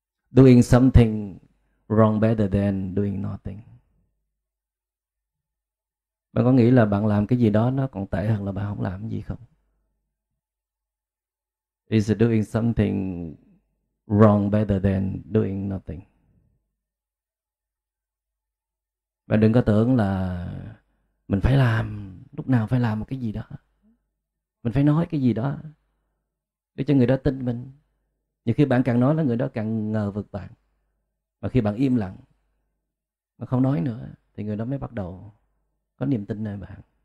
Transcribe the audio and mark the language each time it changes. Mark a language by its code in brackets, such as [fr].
[en] Doing something wrong better than doing nothing. [vi] Bạn có nghĩ là bạn làm cái gì đó nó còn tệ hơn là bạn không làm gì không? [en] Doing something wrong better than doing nothing. [vi] Bạn đừng có tưởng là mình phải làm, lúc nào phải làm một cái gì đó. Mình phải nói cái gì đó để cho người đó tin mình. Nhiều khi bạn càng nói là người đó càng ngờ vực bạn. Mà khi bạn im lặng, mà không nói nữa, thì người đó mới bắt đầu có niềm tin nơi bạn.